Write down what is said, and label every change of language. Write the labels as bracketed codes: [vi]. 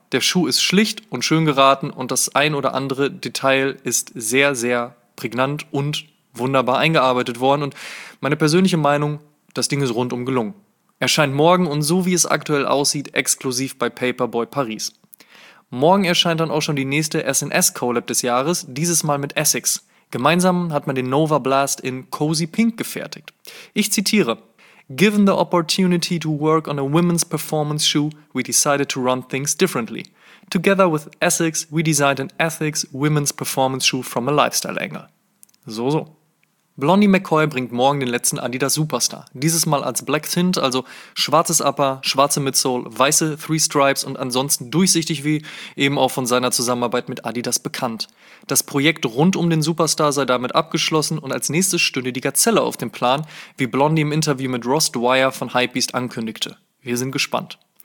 [de] Der Schuh ist schlicht und schön geraten und das ein oder andere Detail ist sehr, sehr prägnant und wunderbar eingearbeitet worden und meine persönliche Meinung, das Ding ist rundum gelungen. Erscheint morgen und so wie es aktuell aussieht, exklusiv bei Paperboy Paris. Morgen erscheint dann auch schon die nächste SNS Collab des Jahres, dieses Mal mit Essex. Gemeinsam hat man den Nova Blast in Cozy Pink gefertigt. Ich zitiere: [en] "Given the opportunity to work on a women's performance shoe, we decided to run things differently. Together with Essex, we designed an Essex women's performance shoe from a lifestyle angle." [de] So, so. Blondie McCoy bringt morgen den letzten Adidas Superstar. Dieses Mal als Black Tint, also schwarzes Upper, schwarze Midsole, weiße 3 Stripes und ansonsten durchsichtig wie eben auch von seiner Zusammenarbeit mit Adidas bekannt. Das Projekt rund um den Superstar sei damit abgeschlossen und als nächstes stünde die Gazelle auf dem Plan, wie Blondie im Interview mit Ross Dwyer von Hypebeast ankündigte. Wir sind gespannt.